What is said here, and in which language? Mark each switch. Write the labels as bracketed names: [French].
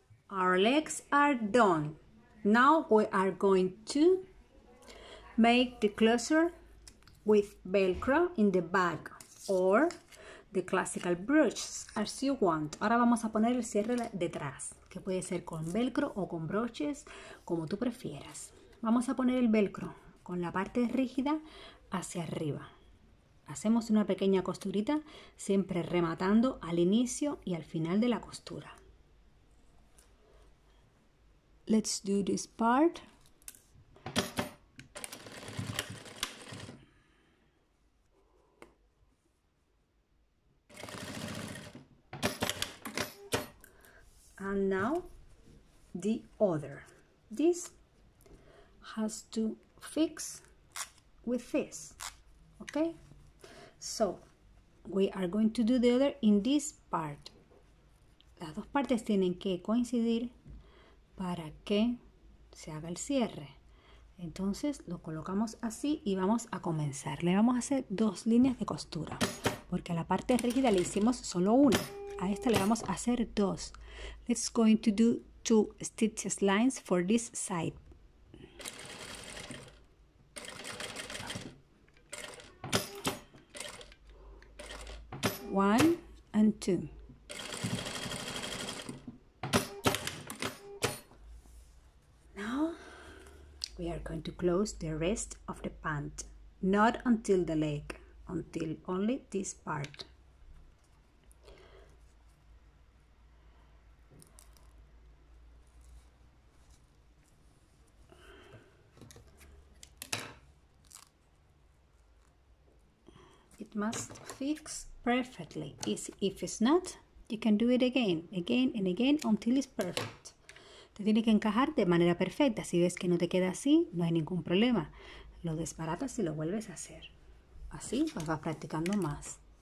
[English] Our legs are done. Now we are going to make the closure with Velcro in the back or the classical brooches as you want. [Spanish] Ahora vamos a poner el cierre detrás, que puede ser con Velcro o con broches, como tú prefieras. Vamos a poner el Velcro con la parte rígida hacia arriba. Hacemos una pequeña costurita, siempre rematando al inicio y al final de la costura. [English] Let's do this part. And now the other. This has to fix with this. Okay? So, we are going to do the other in this part. [Spanish] Las dos partes tienen que coincidir para que se haga el cierre. Entonces lo colocamos así y vamos a comenzar. Le vamos a hacer dos líneas de costura, porque a la parte rígida le hicimos solo una. A esta le vamos a hacer dos. [English] Let's going to do two stitches lines for this side. One and two. We are going to close the rest of the pant, not until the leg, until only this part. It must fix perfectly. If it's not, you can do it again, again and again until it's perfect. [Spanish] Te tiene que encajar de manera perfecta. Si ves que no te queda así, no hay ningún problema. Lo desbaratas y lo vuelves a hacer. Así pues vas practicando más.